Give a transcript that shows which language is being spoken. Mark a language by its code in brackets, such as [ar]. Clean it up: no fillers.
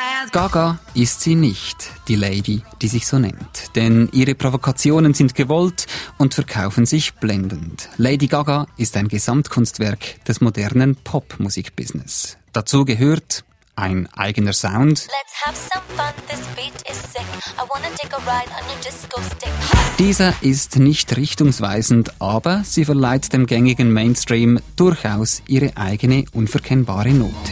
[de] Gaga ist sie nicht, die Lady, die sich so nennt. Denn ihre Provokationen sind gewollt und verkaufen sich blendend. Lady Gaga ist ein Gesamtkunstwerk des modernen Popmusikbusiness. Dazu gehört ein eigener Sound. [en] Let's have some fun, this beat is sick. I wanna take a ride on your disco stick. [de] Dieser ist nicht richtungsweisend, aber sie verleiht dem gängigen Mainstream durchaus ihre eigene unverkennbare Note.